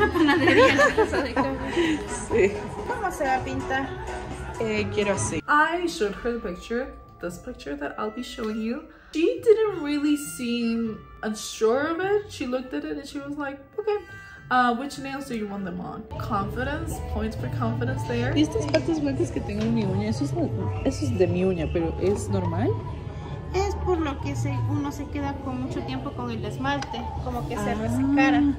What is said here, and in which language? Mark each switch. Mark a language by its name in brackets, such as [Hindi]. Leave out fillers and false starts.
[Spanish] la panadería el tazo de café. Sí. ¿Cómo se va a pintar? Quiero así. [English] I showed her the picture, this picture that I'll be showing you. She didn't really seem unsure of it. She looked at it and she was like, okay. Which nails do you want them on? Confidence, points for confidence there. [Spanish] ¿Y estas partes blancas que tengo en mi uña? Eso es de mi uña, pero ¿es normal? Es por lo que uno se queda con mucho tiempo con el esmalte, como que se resecara.